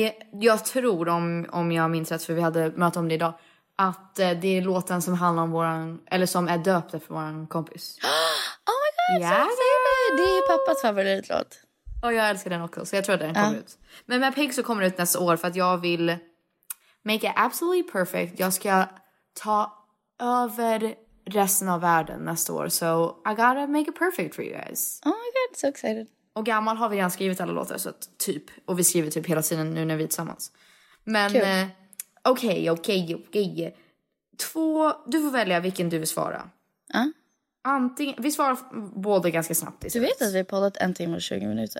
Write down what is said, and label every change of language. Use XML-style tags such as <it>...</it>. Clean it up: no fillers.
<sv>Jag tror, om jag minns rätt, för vi hade möte om det idag, att det är låten som handlar om våran, eller som är döpt för våran kompis.</sv> <en>Oh my god, yeah.</en> <sv>Det är pappas favoritlåt. Och jag älskar den också, så jag tror att den kommer ut. Men med Pink så kommer det ut nästa år, för att jag vill</sv> <en>make it absolutely perfect.</en> <sv>Jag ska ta över resten av världen nästa år.</sv> <en>So I gotta make it perfect for you guys. Oh my god, so excited.</en> <sv>Och Gammal har vi redan skrivit alla låtar, så att typ. Och vi skriver typ hela tiden nu när vi är tillsammans. Men okej. Två, du får välja vilken du vill svara. Antingen, vi svarar båda ganska snabbt. Du vet att vi har poddat en timme och 20 minuter.</sv>